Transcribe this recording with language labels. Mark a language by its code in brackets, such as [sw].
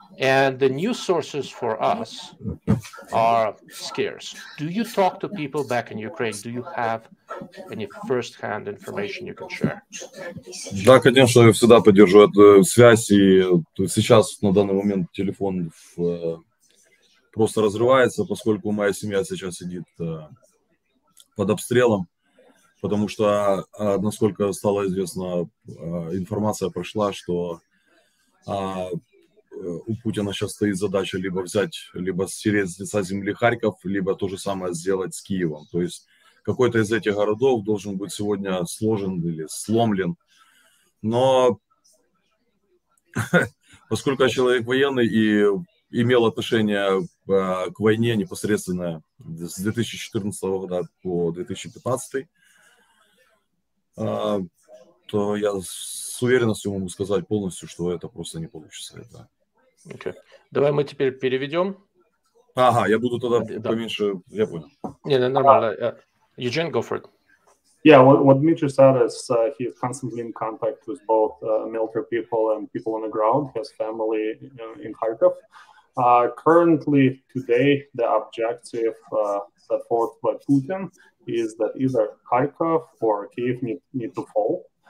[en] And the news sources for us are scarce. Do you talk to people back in Ukraine? Do you have any first-hand information you can share? [ru] Да, конечно, я всегда поддерживаю эту связь. И сейчас, на данный момент, телефон в... просто разрывается, поскольку моя семья сейчас сидит под обстрелом, потому что, насколько стало известно, информация прошла, что у Путина сейчас стоит задача либо взять, либо стереть с лица земли Харьков, либо то же самое сделать с Киевом. То есть какой-то из этих городов должен быть сегодня сложен или сломлен. Но поскольку я человек военный и... имел отношение к войне непосредственно с 2014 года по 2015, то я с уверенностью могу сказать полностью, что это просто не получится. Это... [en] Okay. [ru] Давай мы теперь переведем. Ага, я буду тогда поменьше, я понял. Не, не, нормально. [en] Eugene, go for it. Yeah, what Dmitry said is he is constantly in contact with both military people and people on the ground, his family in Kharkov. Currently, today, the objective set forth by Putin is that either Kharkov or Kyiv need to fall.